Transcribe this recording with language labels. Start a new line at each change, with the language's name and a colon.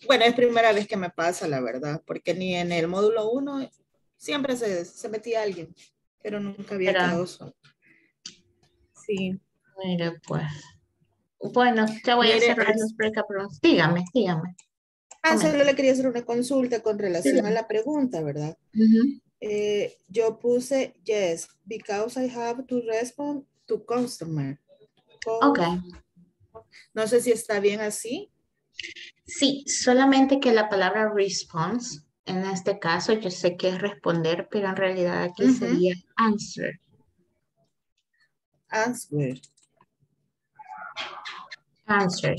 Spanish: Bueno, es primera vez que me pasa, la verdad, porque ni en el módulo 1 siempre se metía alguien, pero nunca había quedado solo. Sí. Mire, pues. Bueno, ya voy a cerrar los break-up rooms. Dígame. Ah, solo le quería hacer una consulta con relación a la pregunta, ¿verdad? Uh-huh. Yo puse
English: yes, because I have to respond to customer.
Spanish: Ok. No sé si está bien así. Sí, solamente que la palabra response, en este caso yo sé que es responder, pero en realidad aquí sería answer. Answer,